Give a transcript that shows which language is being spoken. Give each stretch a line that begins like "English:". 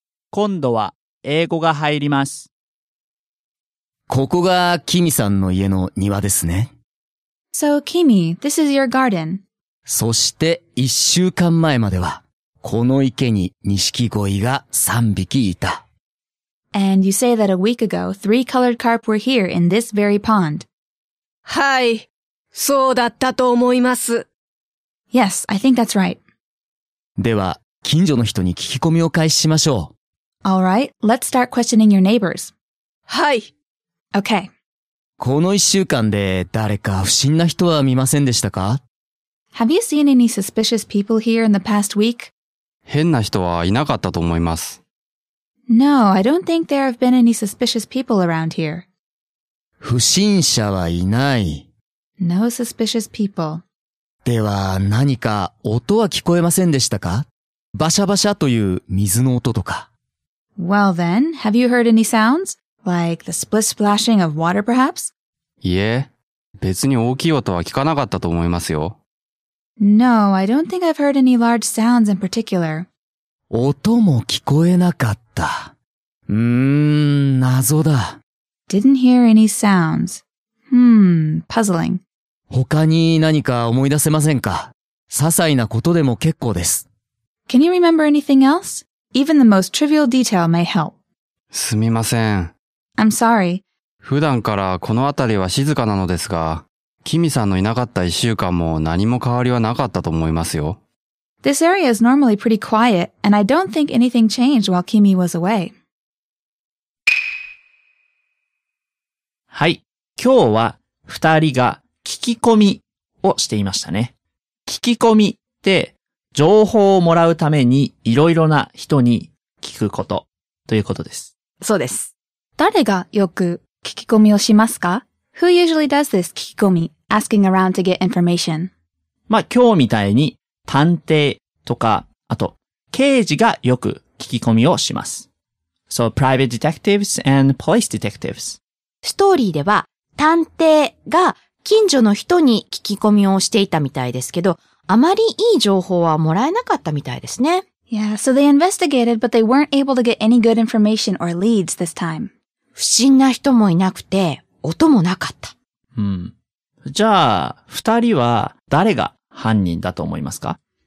Japanese: 今度は英語が入ります。ここがキミさんの家の庭ですね。
English: So, Kimi, this is your garden.
Japanese: そして一週間前までは、この池に錦鯉が三匹いた。
English: And you say that a week ago, three colored carp were here in this very pond.
Japanese: はい、そうだったと思います。
English: Yes, I think that's right.
Japanese: では、近所の人に聞き込みを開始しましょう。
English: All right, let's start questioning your neighbors.
Japanese: はい。
English: Okay.
Japanese: この一週間で誰か不審な人は見ませんでしたか?
English: Have you seen any suspicious people here in the past week?
Japanese: 変な人はいなかったと思います。
English: No, I don't think there have been any suspicious people around here.
Japanese: 不審者はいない。
English: No suspicious people.
Japanese: では何か音は聞こえませんでしたか? バシャバシャという水の音とか。
English: Well then, have you heard any sounds? Like the split splashing of water perhaps?
Japanese: いえ、別に大きい音は聞かなかったと思いますよ。
English: No, I don't think I've heard any large sounds in particular.
Japanese: 音も聞こえなかった。謎だ。
English: Didn't hear any sounds. Puzzling.
Japanese: 他に何か思い出せませんか?些細なことでも結構です。
English: Can you remember anything else? Even the most trivial detail may help.
Japanese: すみません。
English: I'm sorry.
Japanese: 普段からこの辺りは静かなのですが、キミさんのいなかった一週間も何も変わりはなかったと思いますよ。
English: This area is normally pretty quiet, and I don't think anything changed while Kimi was away.
Japanese: はい、今日は二人が聞き込みをしていましたね。聞き込みって情報をもらうためにいろいろな人に聞くことということです。そうです。誰がよく聞き込みをしますか？
English: Who usually does this 聞き込み、asking around to get information?
Japanese: まあ今日みたいに探偵とか、あと刑事がよく聞き込みをします。
English: So private detectives and police detectives.
Japanese: ストーリーでは探偵が近所の人に聞き込みをしていたみたいですけど、あまりいい情報はもらえなかったみたいですね。
English: Yeah, so they investigated, but they weren't able to get any good information or leads this time.
Japanese: 不審な人もいなくて、音もなかった。うん。じゃあ、二人は誰が犯人だと思いますか？